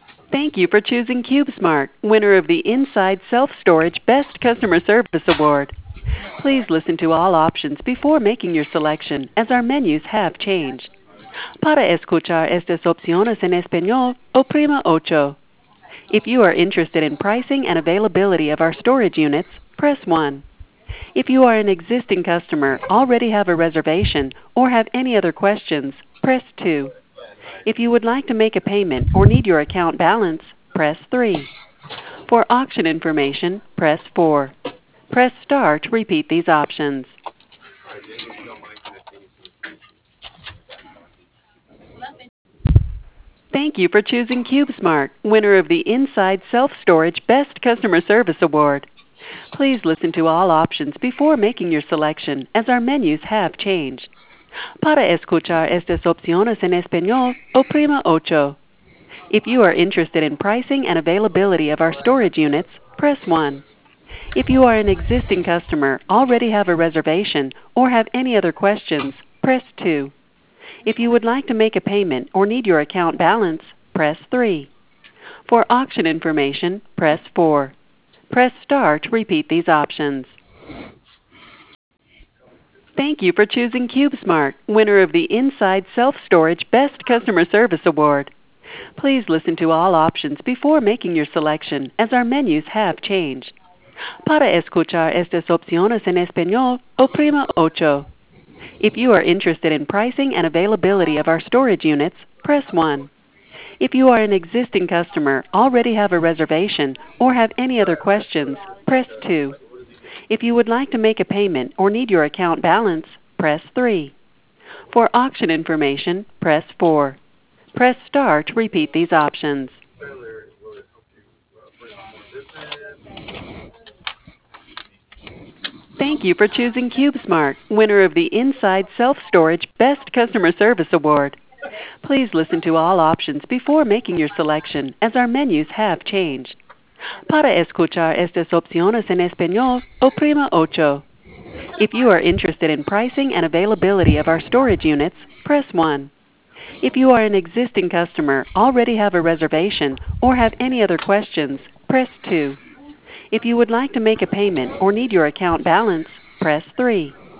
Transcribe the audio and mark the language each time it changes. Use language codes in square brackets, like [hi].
[en] Thank you for choosing CubeSmart, winner of the Inside Self-Storage Best Customer Service Award. Please listen to all options before making your selection, as our menus have changed. [es] Para escuchar estas opciones en español, oprima 8. [en] If you are interested in pricing and availability of our storage units, press 1. If you are an existing customer, already have a reservation, or have any other questions, press 2. If you would like to make a payment or need your account balance, press 3. For auction information, press 4. Press star to repeat these options. Thank you for choosing CubeSmart, winner of the Inside Self-Storage Best Customer Service Award. Please listen to all options before making your selection, as our menus have changed. [es] Para escuchar estas opciones en español, oprima 8. [en] If you are interested in pricing and availability of our storage units, press 1. If you are an existing customer, already have a reservation, or have any other questions, press 2. If you would like to make a payment or need your account balance, press 3. For auction information, press 4. Press star to repeat these options. Thank you for choosing CubeSmart, winner of the Inside Self-Storage Best Customer Service Award. Please listen to all options before making your selection, as our menus have changed. [es] Para escuchar estas opciones en español, oprima 8. [en] If you are interested in pricing and availability of our storage units, press 1. If you are an existing customer, already have a reservation, or have any other questions, press 2. If you would like to make a payment or need your account balance, press 3. For auction information, press 4. Press star to repeat these options. Thank you for choosing CubeSmart, winner of the Inside Self-Storage Best Customer Service Award. Please listen to all options before making your selection, as our menus have changed. [es] Para escuchar estas opciones en español, oprima 8. [en] If you are interested in pricing and availability of our storage units, press 1. If you are an existing customer, already have a reservation, or have any other questions, press 2. If you would like to make a payment or need your account balance, press 3.